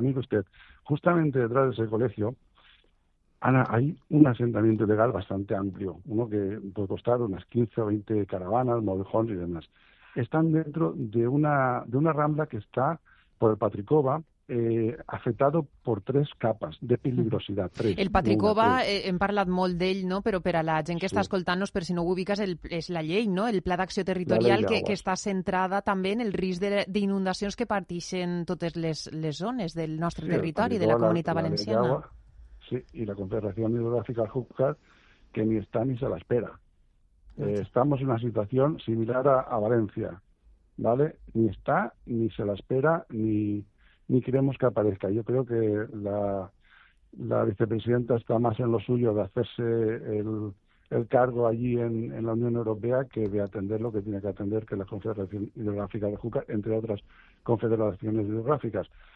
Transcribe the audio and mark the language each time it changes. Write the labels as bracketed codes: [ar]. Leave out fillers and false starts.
[es] Mire usted, justamente detrás de ese colegio hay un asentamiento ilegal bastante amplio, uno que puede costar unas 15 o 20 caravanas, mobijones y demás. Están dentro de una rambla que está por el Patricova, afectado por tres capas de peligrosidad. Tres, [ca] el Patricova, hem parlat molt d'ell, no? Però per a la gent que sí. Està escoltant-nos, per si no ho ubiques, és la llei, no? El Pla d'Acció Territorial que està centrada també en el risc d'inundacions que pateixen totes les zones del nostre territori, de la Comunitat Valenciana. Sí, i la Confederació Hidrogràfica Júcar, que ni està ni [es] se la espera. Estamos en una situación similar a Valencia, ¿vale? Ni está, ni se la espera, ni queremos que aparezca. Yo creo que la vicepresidenta está más en lo suyo de hacerse el cargo allí en la Unión Europea que de atender lo que tiene que atender, que la Confederación Hidrográfica de Júcar, entre otras confederaciones hidrográficas.